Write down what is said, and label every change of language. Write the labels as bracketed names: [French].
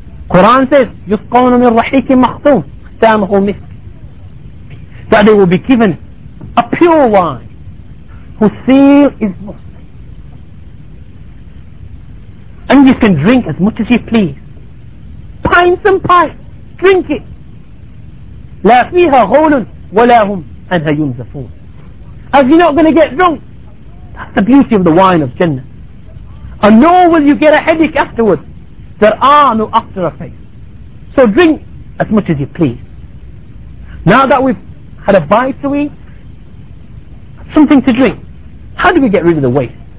[English] Quran says, [Arabic] يُسْقَوْنَ مِنْ رَحِيكٍ مَخْتُومٍ اخْتَامُهُ مِسْكٍ. [English] That they will be given a pure wine. who feel is Muslim. And you can drink as much as you please. Pints and pints. Drink it. [Arabic] لا فيها غول ولا هم أنها ينزفون. [English] As you're not going to get drunk. That's the beauty of the wine of Jannah. And nor will you get a headache afterwards. There are no after effects. So drink as much as you please. Now that we've had a bite to eat, something to drink. How do we get rid of the waste?